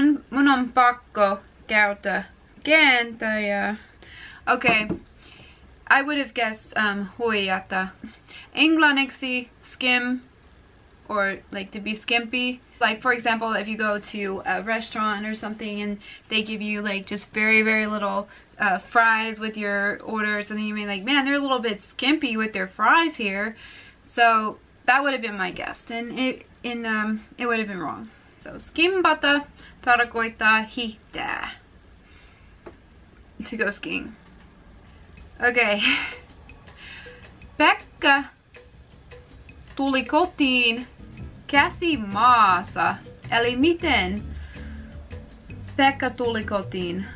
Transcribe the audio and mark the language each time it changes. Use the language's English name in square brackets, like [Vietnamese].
[Finnish] Mun on pakko käyttää kääntäjä. [English] Okay. I would have guessed huijata. Englanniksi skim, or like to be skimpy. Like for example, if you go to a restaurant or something and they give you like just very, very little fries with your orders, and then you may be like, man, they're a little bit skimpy with their fries here. So that would have been my guess, and it would have been wrong. So [Finnish] skimbata tarkoittaa hiihtää, [English] to go skiing. Okay. [Finnish] Pekka tuli kotiin käsi maassa. Eli miten Pekka tuli kotiin?